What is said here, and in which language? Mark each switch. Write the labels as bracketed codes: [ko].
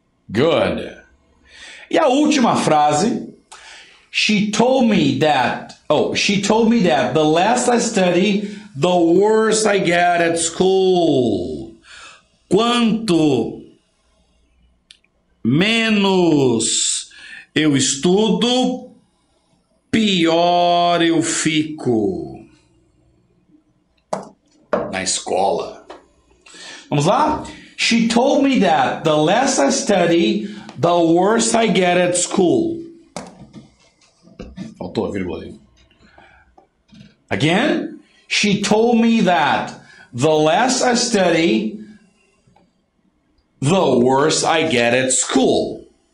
[en] Good. [pt] E a última frase. [en] She told me that the less I study, the worse I get at school. [pt] Quanto menos eu estudo, pior eu fico na escola. Vamos lá? [en] She told me that the less I study, the worse I get at school. [pt] Faltou a vírgula aí. [en] Again? She told me that the less I study, the worse I get at school.